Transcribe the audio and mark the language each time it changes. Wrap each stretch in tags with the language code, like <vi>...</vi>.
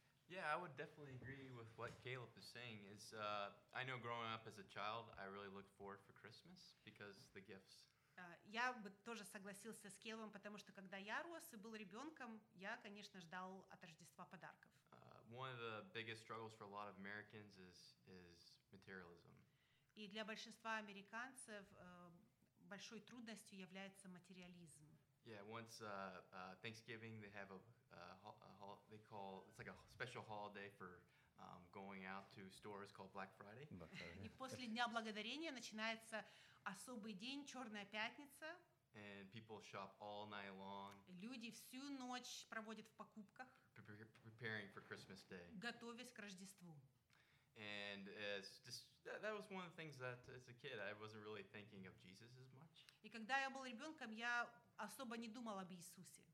<en>Yeah, I would definitely agree with what Caleb is saying. Is I know growing up as a child, I really looked forward for Christmas because the gifts.</en> <ru>Я бы тоже согласился с Кейлом, потому что когда я рос и был ребенком, я, конечно, ждал от Рождества подарков.</ru> <en>One of the biggest struggles for a lot of Americans is materialism.</en> <ru>И для большинства американцев большой трудностью является материализм.</ru> <en>Yeah, once Thanksgiving, they have they call it's like a special holiday for going out to stores called Black Friday.</en> <ru>И после Дня Благодарения начинается особый день, Черная пятница.</ru> <en>And people shop all night long.</en> <ru>Люди всю ночь проводят в покупках.</ru> <en>Preparing for Christmas Day.</en> <ru>Готовясь к Рождеству.</ru> <en>And it's just that was one of the things that as a kid I wasn't really thinking of Jesus as much.</en> <ru>И когда я был ребенком, я особо не думал об Иисусе.</ru>